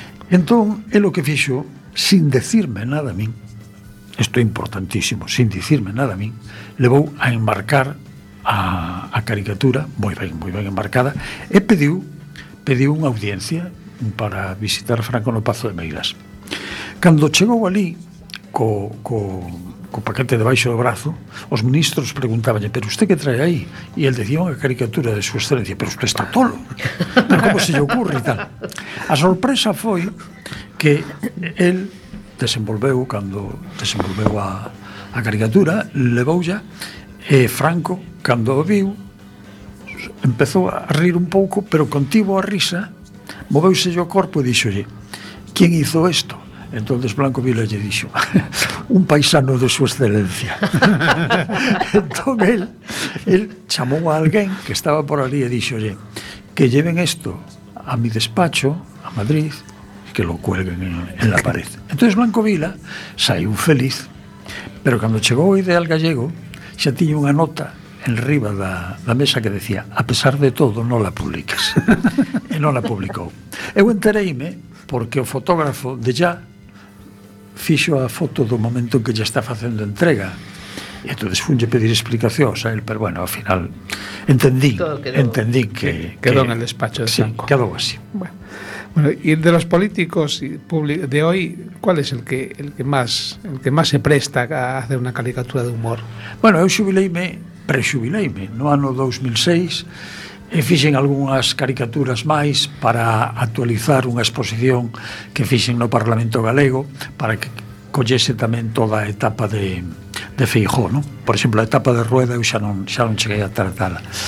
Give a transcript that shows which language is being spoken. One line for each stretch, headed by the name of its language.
Galician: Entón, é lo que fixo, sin decirme nada a min, isto é importantísimo, sin dicirme nada a min, levou a embarcar a caricatura, moi ben embarcada, e pediu unha audiencia para visitar Franco no Pazo de Meirás. Cando chegou ali, co paquete debaixo do brazo, os ministros preguntábanlle: pero usted que trae aí? E el decía unha caricatura de súa excelencia. Pero usted está tolo, pero como se lle ocurre e tal. A sorpresa foi que el desenvolveu, cando desenvolveu a caricatura, levoulla, e Franco, cando o viu, empezou a rir un pouco, pero contivo a risa, moveuse o corpo e dixolle: quen hizo isto? Entonces Blanco Vila lle dixo: un paisano de súa excelencia. Entón el chamou a alguén que estaba por ali e dixo:
Spanish: oye, que lleven isto a mi despacho, a Madrid, e que lo cuelguen en la pared.
Galician: Entonces Blanco Vila saiu feliz, pero cando chegou o Ideal Gallego, xa tiña unha nota en riba da mesa que decía: a pesar de todo, non la publiques. E non la publicou. Eu entereime porque o fotógrafo de ya fixo a foto do momento que xa está facendo entrega, e entonces funlle pedir explicacións a él, pero bueno, ao final entendín que quedou en el despacho de Franco. Sí, quedou así.
Spanish: Bueno, y de los políticos de hoy, ¿cuál es el que más se presta a hacer una caricatura de humor?
Galician: Bueno, eu xubileime prexubileime no ano 2006 e fixen algunhas caricaturas máis para actualizar unha exposición que fixen no Parlamento Galego para que collese tamén toda a etapa de Feijóo, non? Por exemplo, a etapa de Rueda eu xa non cheguei a tratala.